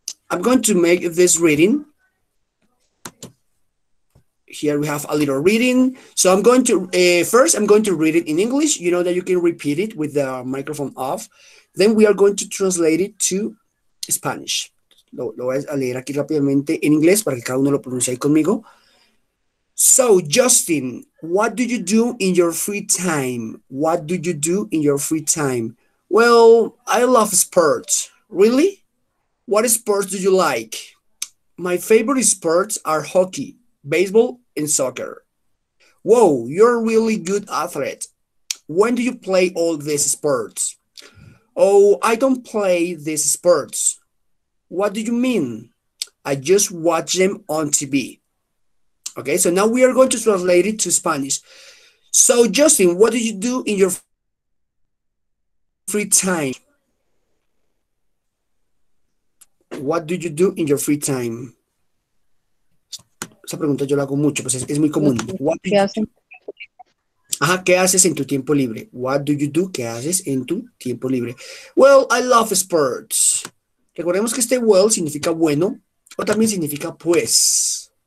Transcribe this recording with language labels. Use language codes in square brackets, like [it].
[en] I'm going to make this reading. Here we have a little reading. So, I'm going to... first, I'm going to read it in English. You know that you can repeat it with the microphone off. Then we are going to translate it to Spanish. [es] Lo voy a leer aquí rápidamente en inglés para que cada uno lo pronuncie ahí conmigo. [en] So, Justin, what do you do in your free time? What do you do in your free time? Well, I love sports. Really? What sports do you like? My favorite sports are hockey, baseball, and soccer. Whoa, you're a really good athlete. When do you play all these sports? Oh, I don't play these sports. What do you mean? I just watch them on TV. Okay, so now we are going to translate it to Spanish. So, Justin, what do you do in your free time? What do you do in your free time? [es] Esa pregunta yo la hago mucho, pues es muy común. [en] What do you do? [es] Ajá, ¿qué haces en tu tiempo libre? [en] What do you do? [es] ¿Qué haces en tu tiempo libre? [en] Well, I love sports. [es] Recordemos que este well significa bueno o también significa pues.